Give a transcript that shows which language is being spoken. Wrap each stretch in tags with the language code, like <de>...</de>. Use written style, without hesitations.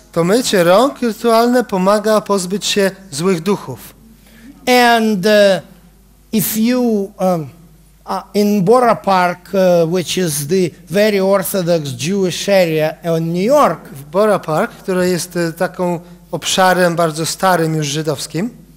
<pl>To mycie rąk rytualne pomaga pozbyć się złych duchów.</pl> <en>And if you in Borough Park, which is the very orthodox Jewish area in New York,</en> <pl>w Borough Park, które jest taką obszarem bardzo starym już żydowskim.</pl>